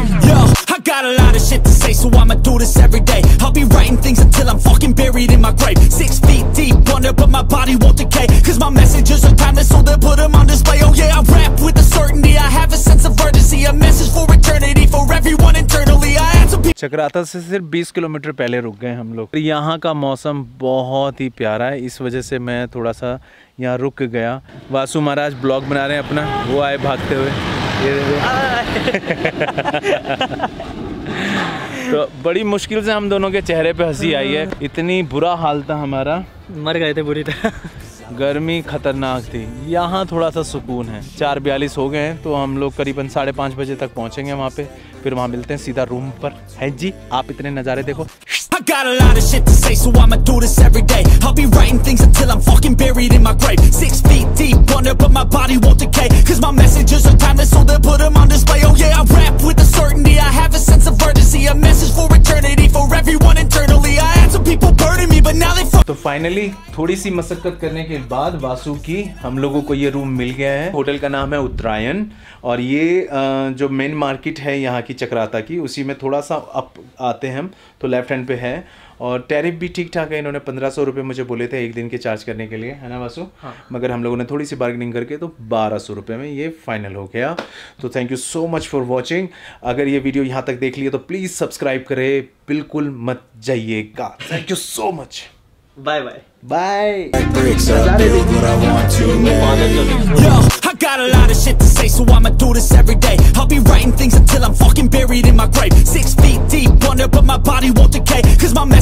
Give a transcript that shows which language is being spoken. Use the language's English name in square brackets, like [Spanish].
[English] I got a lot of shit to say, so I'ma do this every day. I'll be writing things until I'm fucking buried in my grave. 6 feet deep under, but my body won't decay. 'Cause my messages are timeless, so they'll put them on display. Oh yeah, I rap with a certainty. I have a sense of urgency, a message for eternity for everyone internally. I had some people. [Hindi] Chakrata से सिर्फ 20 kilometre पहले रुक गए हम लोग। यहाँ का मौसम बहुत ही प्यारा है, इस वजह से मैं थोड़ा सा यहाँ रुक गया। वासु महाराज ब्लॉग बना रहे हैं अपना, वो आए भागते हुए। तो बड़ी मुश्किल से हम दोनों के चेहरे पे हंसी आई है, इतनी बुरा हाल था हमारा, मर गए थे बुरी तरह। गर्मी खतरनाक थी, यहाँ थोड़ा सा सुकून है। 4:42 हो गए हैं तो हम लोग करीबन 5:30 बजे तक पहुँचेंगे वहाँ पे, फिर वहाँ मिलते हैं सीधा रूम पर। है जी, आप इतने नज़ारे देखो। [English] I got a lot of shit to say, so I'ma do this every day. I'll be writing things until I'm fucking buried in my grave. 6 feet deep under, but my body won't decay. 'Cause my messages are timeless, so they'll put them on display. Oh yeah, I rap with a certainty. I have a sense of urgency. A message for eternity for everyone internally. I had some people burning me, but now they fuck. [Hindi] तो finally, थोड़ी सी मशक्कत करने के बाद वासु की हम लोगों को ये रूम मिल गया है। होटल का नाम है उत्तरायण और ये जो मेन मार्केट है यहाँ की चक्राता की, उसी में थोड़ा सा अप आते हैं हम तो लेफ्ट हैंड पे है। और टैरिफ भी ठीक ठाक है, इन्होंने 1500 रुपये मुझे बोले थे एक दिन के चार्ज करने के लिए, है ना वासु? हाँ। मगर हम लोगों ने थोड़ी सी बार्गेनिंग करके तो 1200 रुपये में ये फाइनल हो गया। तो [English] thank you so much for watching, [Hindi] अगर ये वीडियो यहाँ तक देख लिए तो प्लीज़ सब्सक्राइब करे, बिल्कुल मत जाइएगा। [English] Thank you so much, bye bye bye bricks up build what I want to make. Yo, I got a lot of shit to say, so I'ma do this every day. I'll be writing things until I'm fucking buried in my grave. 6 feet deep under, but my body won't decay. 'Cause my message